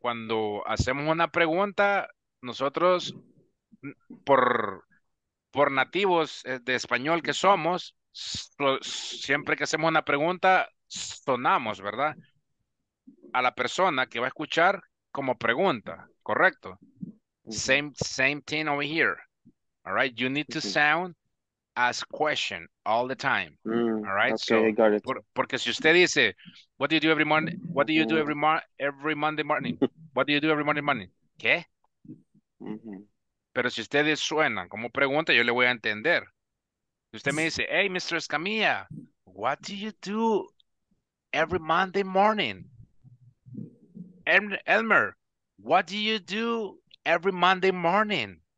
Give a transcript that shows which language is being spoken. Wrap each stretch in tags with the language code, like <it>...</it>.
<es>Cuando hacemos una pregunta, nosotros, por nativos de español que somos, siempre que hacemos una pregunta, sonamos, ¿verdad? A la persona que va a escuchar como pregunta, ¿correcto?</es> <en>Same thing over here, all right? You need to sound as question all the time. All right, okay, so</en> <es>porque si usted dice</es> <en>what do you do every Monday morning,</en> <es>¿qué? Pero si ustedes suenan como pregunta, yo le voy a entender. Si usted me dice, hey Mr.</es> <en>Escamilla, what do you do every Monday morning? Elmer, what do you do every Monday morning?</en>